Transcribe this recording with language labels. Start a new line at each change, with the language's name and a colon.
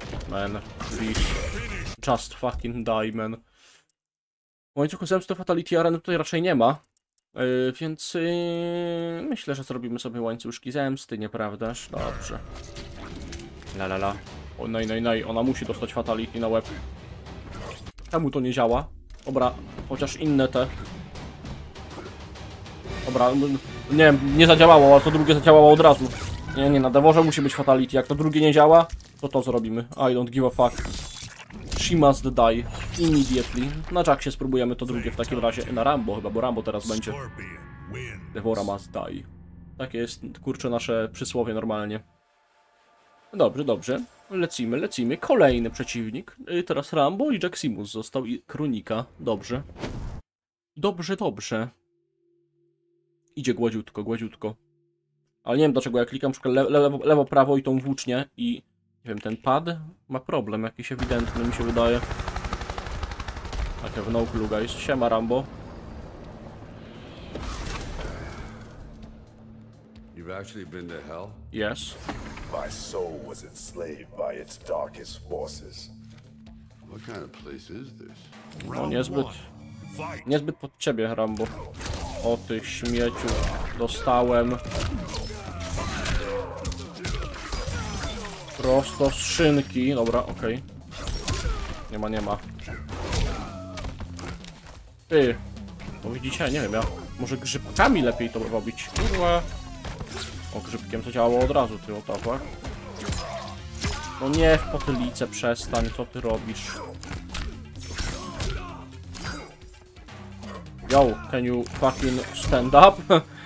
English: Man, please, just fucking die, man.
Polish: W łańcuchu zemsty Fatality Arena tutaj raczej nie ma. Więc myślę, że zrobimy sobie łańcuszki zemsty, nieprawdaż? Dobrze. La la la. O, naj, naj, naj, ona musi dostać fatality na łeb. Czemu to nie działa? Dobra, chociaż inne te. Dobra, nie, nie zadziałało, ale to drugie zadziałało od razu. Nie, nie, na Devorze musi być fatality. Jak to drugie nie działa, to to zrobimy.
English: I don't give a fuck. She must die immediately.
Polish: Na Jaxie spróbujemy to drugie w takim razie. Na Rambo chyba, bo Rambo teraz będzie.
English: Devora must die.
Polish: Takie jest, kurczę, nasze przysłowie normalnie. Dobrze, dobrze. Lecimy, lecimy. Kolejny przeciwnik. Teraz Rambo i Jaximus został i Kronika. Dobrze. Dobrze, dobrze. Idzie gładziutko, gładziutko. Ale nie wiem dlaczego, ja klikam na przykład lewo, prawo i tą włócznię i... Nie wiem, ten pad ma problem jakiś ewidentny, mi się wydaje. Tak, w
English: no clue, guys.
Polish: Siema, Rambo.
English: You've actually been to hell? Yes. My soul was enslaved by its darkest forces. What kind of place is this?
Polish: No, niezbyt. Niezbyt pod ciebie, Rambo. O ty śmieciu, dostałem. Prosto z szynki. Dobra, okej. Okay. Nie ma, nie ma. Ty. To widzicie? Nie wiem, ja... Może grzybkami lepiej to robić. Kurwa. O, grzybkiem to działało od razu, ty, o to, tak? No nie, w potylicę przestań, co ty robisz?
English: Yo, can you fucking stand up?